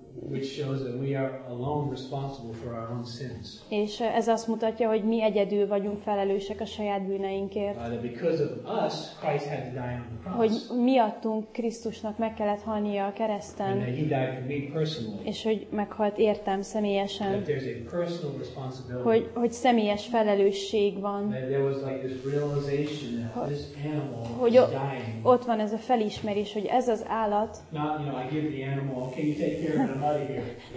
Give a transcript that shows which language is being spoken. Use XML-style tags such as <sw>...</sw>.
<en>Which shows that we are alone responsible for our own sins.</en> <hu>És ez azt mutatja, hogy mi egyedül vagyunk felelősek a saját bűneinkért.</hu> <en>That because of us, Christ had to die on the cross.</en> <hu>Hogy miattunk Krisztusnak meg kellett halnia a kereszten.</hu> <en>And that he died for me personally.</en> <hu>És hogy meghalt értem személyesen.</hu> <en>That there's a personal responsibility.</en> <hu>Hogy személyes felelősség van.</hu> <en>That there was like this realization that this animal is dying.</en> <hu>Ott van ez a felismerés, hogy ez az állat.</hu> <en>Not, you know, I give the animal, okay, you take care of it.</en>